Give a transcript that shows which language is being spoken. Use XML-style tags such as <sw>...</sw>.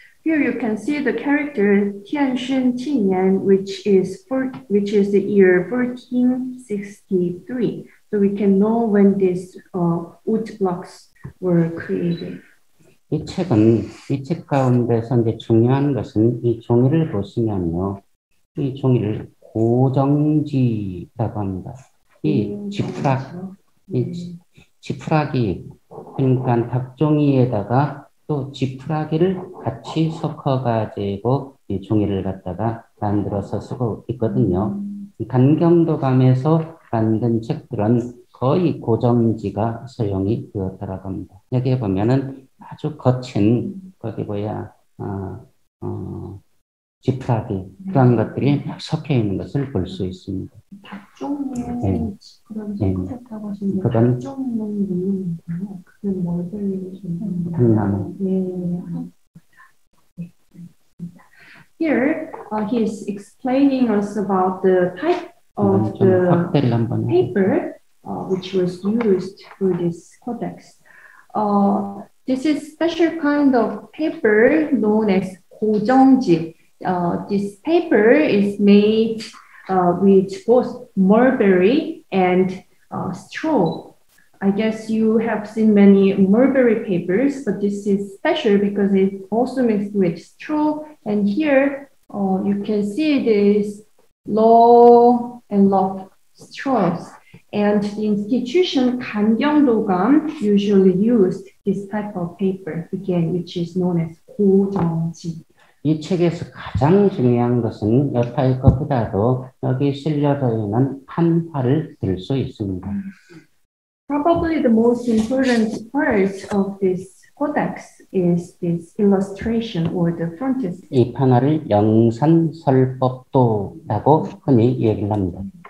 <en>Here you can see the character Tianxun Qinian, which is the year 1463. So we can know when these wood blocks were created.</en> <ko>이 책은 이 책 가운데서 이제 중요한 것은 이 종이를 보시면요, 이 종이를 고정지라고 합니다. 이 지푸라기, 이 지푸라기 그러니까 닭종이에다가 또 지푸라기를 같이 섞어가지고 이 종이를 갖다가 만들어서 쓰고 있거든요. 간경도감에서 만든 책들은 거의 고정지가 사용이 되었다라고 합니다. 여기에 보면은 아주 거친 거기 뭐야 지푸라기 그런 것들이 막 섞여 있는 것을 볼 수 있습니다. 닭종이 네. 그런 섞었다고 하신 게 닭종이는 그건 뭘 들리시는 건가요?</ko> <en>Here he is explaining us about the type of the paper which was used for this codex. This is special kind of paper known as 고정지. This paper is made with both mulberry and straw. I guess you have seen many mulberry papers, but this is special because it's also mixed with straw. And here you can see these low and long straws. And the institution 간경도감 usually used this type of paper, again, which is known as 고정지.</en> <ko>이 책에서 가장 중요한 것은 여타의 것보다도 여기 실려져 있는 판화를 들 수 있습니다.</ko> <en>Probably the most important part of this codex is this illustration or the frontispiece.</en> <ko>이 판화를 영산설법도라고 흔히 얘기를 합니다.</ko>